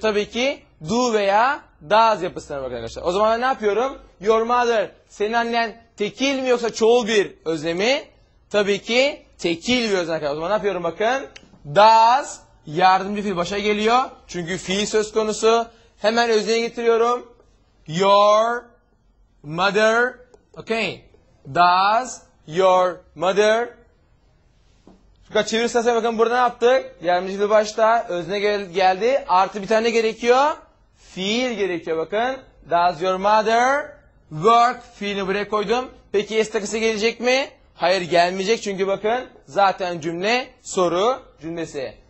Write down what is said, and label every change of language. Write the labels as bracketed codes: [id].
[tr] Tabii ki do veya does yapısına bakın arkadaşlar. O zaman ben ne yapıyorum? [en] Your mother, [tr] senin annen tekil mi yoksa çoğul bir özlemi? Tabii ki tekil bir özlem arkadaşlar. O zaman ne yapıyorum bakın? Does yardımcı fiil başa geliyor. Çünkü fiil söz konusu. Hemen özneye getiriyorum. [en] Your mother, okay, does your mother. [tr] Şuraya çevirirseniz bakın burada ne yaptık? Yardımcı fiil başta, özne geldi. Artı bir tane gerekiyor. Fiil gerekiyor bakın. [en] Does your mother work? [tr] Fiilini buraya koydum. Peki es takısı gelecek mi? Hayır gelmeyecek çünkü bakın zaten cümle soru cümlesi.